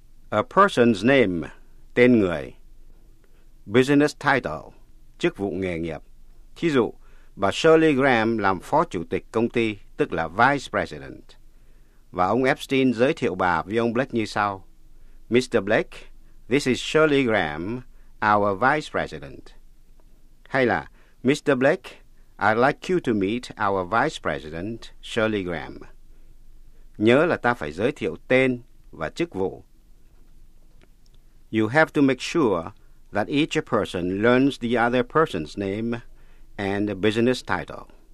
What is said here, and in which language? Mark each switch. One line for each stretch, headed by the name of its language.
English: A person's name.
Vietnamese: Tên người.
English: Business title.
Vietnamese: Chức vụ nghề nghiệp. Thí dụ, bà Shirley Graham làm phó chủ tịch công ty, tức là Vice President. Và ông Epstein giới thiệu bà với ông Blake như sau.
English: Mr. Blake, this is Shirley Graham, our Vice President.
Vietnamese: Hay là,
English: Mr. Blake, I'd like you to meet our Vice President, Shirley Graham.
Vietnamese: Nhớ là ta phải giới thiệu tên và chức vụ.
English: You have to make sure that each person learns the other person's name and business title.